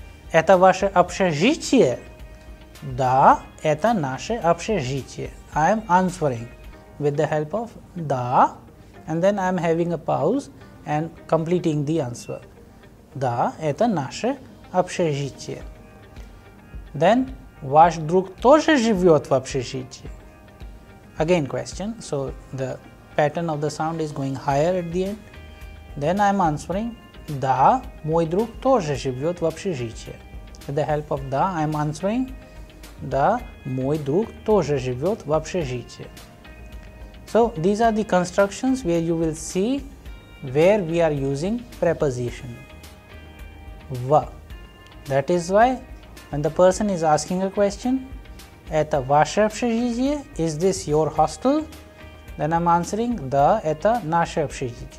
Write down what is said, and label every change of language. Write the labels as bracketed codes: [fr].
[ru] Это ваше общежитие? Да, это наше общежитие. [en] I am answering with the help of да. And then I am having a pause and completing the answer. [ru] Да, это наше общежитие. Then, ваш друг тоже живет в общежитии? [en] Again question. So, the pattern of the sound is going higher at the end. Then I am answering. [ru] Да, мой друг тоже живет в общежитии. [en] With the help of да, I am answering. [ru] Да, мой друг тоже живет в общежитии. [en] So these are the constructions where you will see where we are using preposition V. That is why when the person is asking a question, [ru] Это ваше общежитие? [en] Is this your hostel? Then I'm answering, [ru] Да, это наше общежитие.